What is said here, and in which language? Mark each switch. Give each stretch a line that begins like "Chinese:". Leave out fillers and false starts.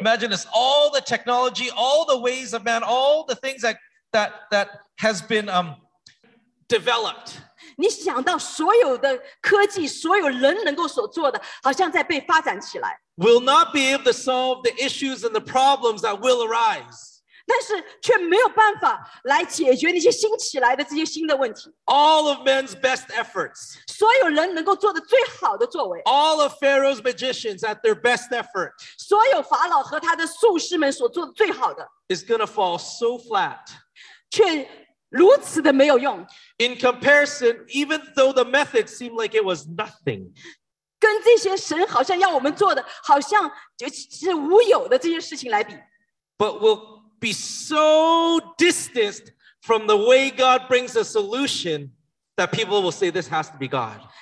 English: Imagine this, all the technology, all the ways of man, all the things that has been developed.
Chinese: 你想到所有的科技，所有人能够所做的，好像在被发展起来。
English: Will not be able to solve the issues and the problems that will arise.
Chinese: 但是却没有办法来解决那些新起来的这些新的问题。
English: All of men's best efforts.
Chinese: 所有人能够做的最好的作为。
English: All of Pharaoh's magicians at their best effort.
Chinese: 所有法老和他的术士们所做的最好的。
English: Is going to fall so flat.
Chinese: 却如此的没有用。
English: In comparison, even though the method seemed like it was nothing,
Chinese: 跟这些神好像要我们做的，好像就是无有的这些事情来比,
English: but will be so distanced from the way God brings a solution that people will say this has to be God.